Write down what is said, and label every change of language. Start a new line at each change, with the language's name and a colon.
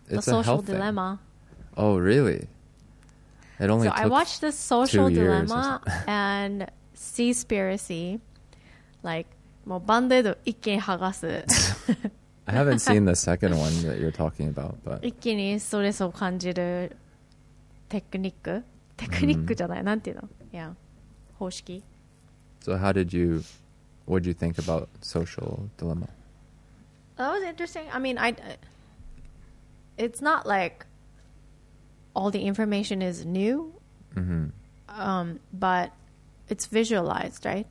English: Social Dilemma. Oh, really? It only so I watched The Social Dilemma and Seaspiracy.
Japanese: Like, もうバンデード一気に剥がす。
English: I haven't seen the second one that you're talking about, but
Japanese: 一気にストレスを感じるテクニックじゃない、なんていうの、yeah. 方式。
English: So how did you, what did you think about Social Dilemma? That was interesting. I mean, it's not like. All the information is new, but it's visualized, right?